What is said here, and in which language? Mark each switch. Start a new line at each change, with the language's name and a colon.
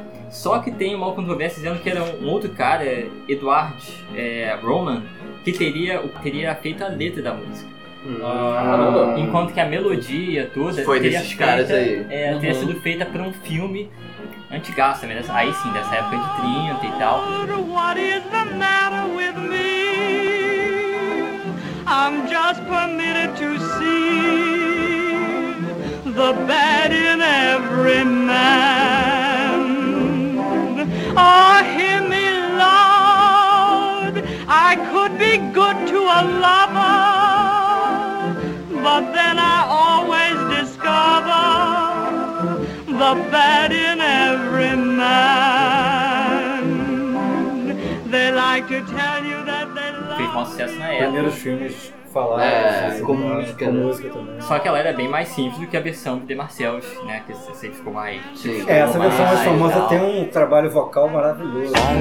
Portuguese: Só que tem uma controvérsia dizendo que era um outro cara, Edward Roman, que teria feito a letra da música. Enquanto que a melodia toda foi desses feita, caras aí. Teria sido feita para um filme antigaço, né? Aí sim, dessa época de 30 e tal.
English: What is the matter with me? I'm just permitted to see the bad in every man. Oh, hear me, Lord. I could be good to a lover. But then I always discover the bad in every man. They like to tell you that they love you.
Portuguese: Fez um sucesso na época. Primeiros filmes falaram com música também. Só que ela era bem mais simples do que a versão do The Marcells, né? Que você ficou mais... Sim. Essa versão mais famosa tem um trabalho vocal maravilhoso.